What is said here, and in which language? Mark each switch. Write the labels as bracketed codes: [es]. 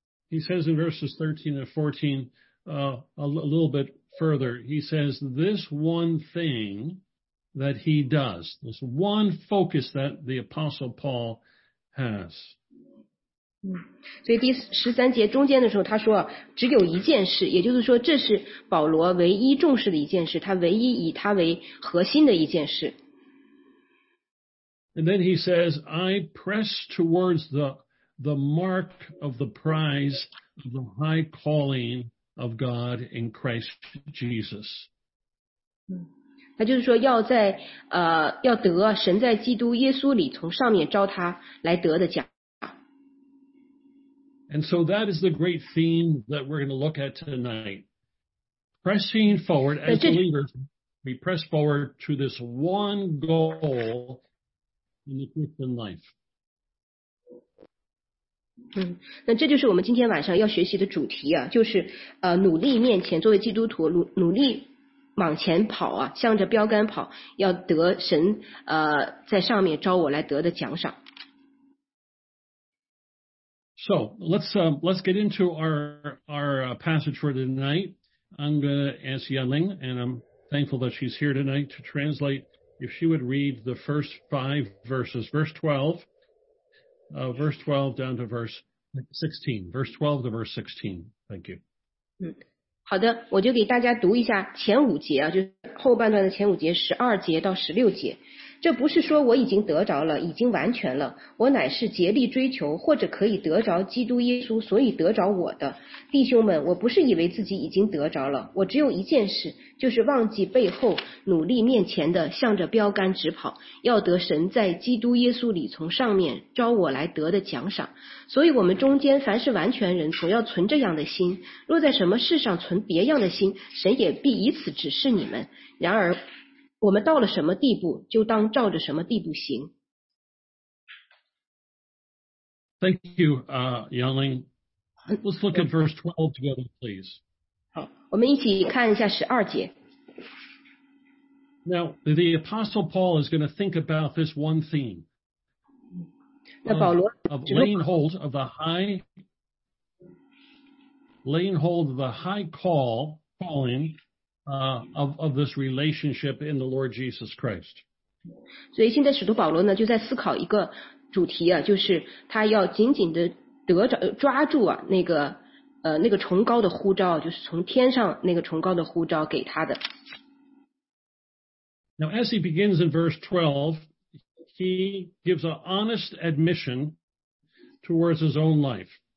[en] He says in verses 13 and 14, a little bit further, he says, this one thing that he does, this one focus that the Apostle Paul has. [zh] 所以第十三节中间的时候他说只有一件事，也就是说这是保罗唯一重视的一件事，他唯一以他为核心的一件事。 [en] And then he says, I press towards the mark of the prize of the high calling of God in Christ Jesus. [zh] 他就是说要在要得神在基督耶稣里从上面召他来得的奖。 [en] And so that is the great theme that we're going to look at tonight. Pressing forward as believers, we press forward to this one goal in the Christian life. [zh] 那这就是我们今天晚上要学习的主题啊，就是努力面前，作为基督徒努力往前跑啊，向着标杆跑，要得神在上面召我来得的奖赏。 [en] So let's get into our passage for tonight. I'm going to ask Yanling, and I'm thankful that she's here tonight to translate. If she would read the first five verses, verse 12 down to verse 16, verse 12 to verse 16. Thank you. [zh] 好的，我就给大家读一下前五节啊，就后半段的前五节，十二节到十六节。这不是说我已经得着了，已经完全了，我乃是竭力追求，或者可以得着基督耶稣，所以得着我的。弟兄们，我不是以为自己已经得着了，我只有一件事，就是忘记背后，努力面前的，向着标杆直跑，要得神在基督耶稣里从上面召我来得的奖赏。所以我们中间凡是完全人，总要存这样的心，若在什么事上存别样的心，神也必以此指示你们。然而我们到了什么地步，就当照着什么地步行。 [en] Thank you, Yanling. Let's look at verse 12 together, please. [zh] 好，我们一起看一下十二节。 [en] Now, the Apostle Paul is going to think about this one theme. [zh] 那保罗 [en] laying hold of the high calling. Of this relationship in the Lord Jesus Christ. [zh] 所以现在使徒保罗呢就在思考一个主题啊，就是他要紧紧的得着抓住啊那个崇高的呼召，就是从天上那个崇高的呼召给他的。 [en] Now as he begins in verse 12, he gives an honest admission towards his own life.